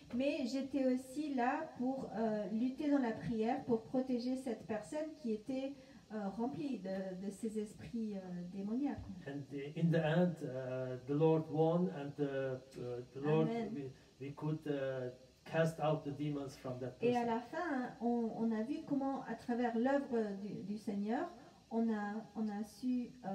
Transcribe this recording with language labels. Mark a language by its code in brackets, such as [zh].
[fr] Mais j'étais aussi là pour lutter dans la prière pour protéger cette personne qui était rempli de ces esprits démoniaques. [en] And in the end, the Lord won, and the Lord we could cast out the demons from that person. [fr] Et à la fin, on a vu comment, à travers l'œuvre du Seigneur, on a su